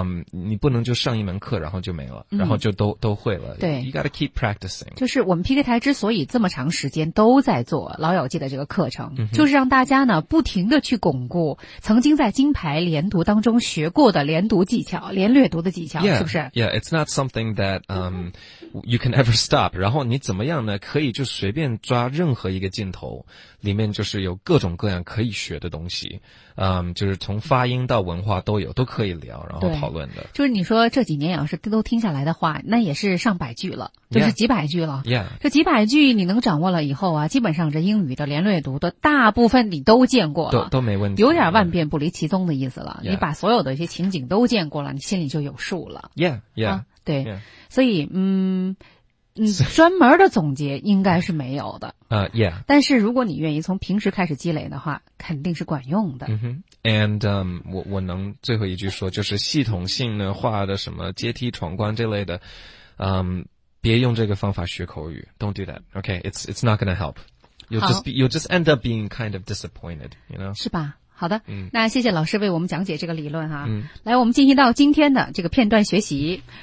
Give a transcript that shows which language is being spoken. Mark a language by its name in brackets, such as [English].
[Chinese] 你不能就上一门课然后就没了，然后就都会了。对。 [English] You gotta keep practicing. [Chinese] 就是我们 PK 台之所以这么长时间都在做老友记的这个课程，就是让大家呢不停的去巩固曾经在金牌连读当中学过的连读技巧，连略读的技巧。 [English] Yeah, [Chinese] 是不是？ [English] Yeah, it's not something that you can ever stop. [Chinese] 然后你怎么样呢？可以就随便抓任何一个镜头，里面就是有各种各样可以学的东西。就是从发音到文化都有，都可以聊，然后讨论的。就是你说这几年要是都听下来的话，那也是上百句了，就是几百句了。 [English] Yeah. [Chinese] 这几百句你能掌握了以后啊，基本上这英语的连略读的大部分你都见过了，都没问题，有点万变不离其宗的意思了。 [English] Yeah. [Chinese] 你把所有的一些情景都见过了，你心里就有数了。 [English] Yeah, yeah.、 [Chinese] 啊对、yeah. 所以专门的总结应该是没有的。 [English] Yeah. [Chinese] 但是如果你愿意从平时开始积累的话，肯定是管用的。 Mm-hmm. And, 我能最后一句说，就是系统性的话的什么阶梯闯关这类的，别用这个方法学口语。 [English] Don't do that. Okay. It's not gonna help. You'll just end up being kind of disappointed, you know? [Chinese] 是吧？好的，那谢谢老师为我们讲解这个理论哈、嗯。来，我们进行到今天的这个片段学习。